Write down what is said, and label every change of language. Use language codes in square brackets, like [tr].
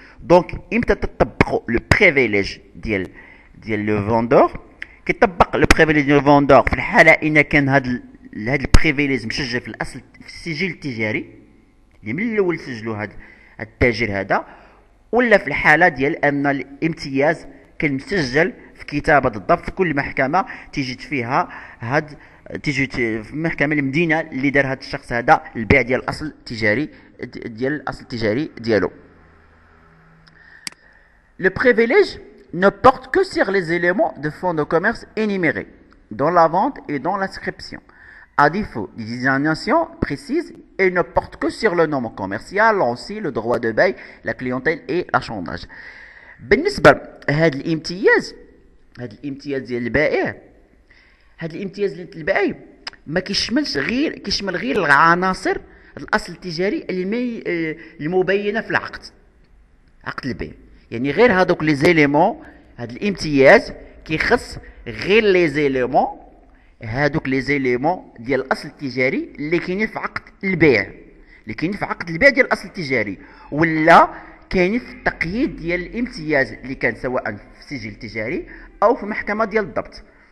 [ar] دونك امتى تطبقوا لو بريفيليج ديال لو فوندور؟ كيطبق لو بريفيليج ديال فوندور في الحاله ان كان هاد البريفيليج مسجل في الاصل في السجل التجاري اللي من الاول سجلوا هاد التاجر هذا، ولا في الحاله ديال ان الامتياز كان مسجل في كتابه الضبط في كل محكمه تجد فيها هاد تيجي في محكمه المدينه اللي دار هاد الشخص هذا البيع ديال الاصل التجاري ديال الاصل التجاري ديالو. لو بريفيليج [fr] ne porte que sur les éléments de fonds de commerce énumérés dans la vente et dans l'inscription. À défaut des désignations précises, il ne porte que sur le nom commercial, l'ancien, le droit de bail, la clientèle et l'achandage. [ar] بالنسبه لهاد الامتياز، هاد الامتياز ديال البائع، هاد الامتياز ديال البائع ما كيشملش غير كيشمل غير العناصر الاصل التجاري المبينه في العقد، عقد البيع، يعني غير هادوك لي زيليمون هاد الامتياز كيخص غير لي زيليمون هادوك لي زيليمون ديال الاصل التجاري اللي كاينين في عقد البيع، اللي كاينين في عقد البيع ديال الاصل التجاري، ولا كاينين في التقييد ديال الامتياز اللي كان سواء في السجل التجاري او في محكمه ديال الضبط.